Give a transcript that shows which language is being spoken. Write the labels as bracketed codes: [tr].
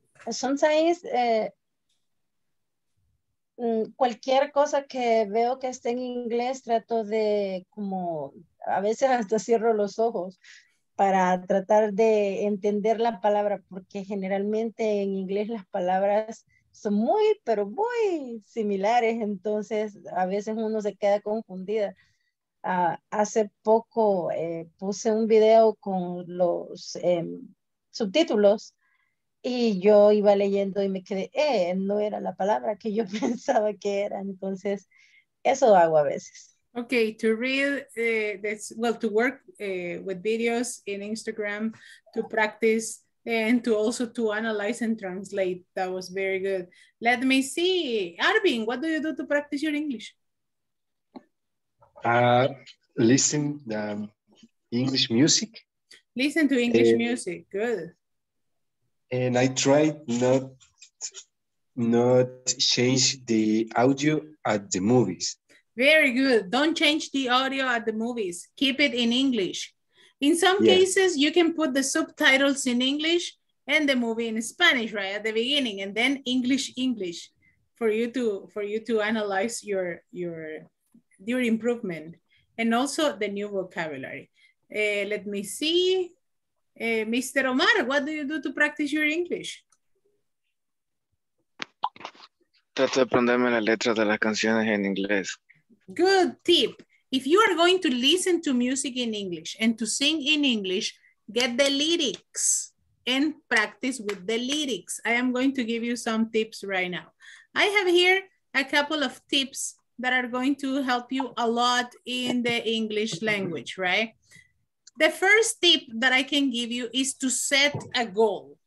[es] Sometimes cualquier cosa que veo que esté en inglés trato de como a veces hasta cierro los ojos para tratar de entender la palabra porque generalmente en inglés las palabras son muy pero muy similares, entonces a veces uno se queda confundida. Hace poco puse un video con los subtítulos y yo iba leyendo y me quedé, no era la palabra que yo pensaba que era, entonces eso hago a veces. [en] Okay, to read, to work with videos in Instagram, to practice and to also to analyze and translate. That was very good. Let me see, Arvin, what do you do to practice your English? Listen to English music. Listen to English music, good. And I try not change the audio at the movies. Very good. Don't change the audio at the movies. Keep it in English. In some cases, you can put the subtitles in English and the movie in Spanish right at the beginning, and then English for you to analyze your improvement and also the new vocabulary. Let me see. Mr. Omar, what do you do to practice your English? [es] Trato de aprenderme las letras de las canciones en inglés. [en] Good tip. If you are going to listen to music in English and to sing in English, get the lyrics and practice with the lyrics. I am going to give you some tips right now. I have here a couple of tips that are going to help you a lot in the English language, right? The first tip that I can give you is to set a goal,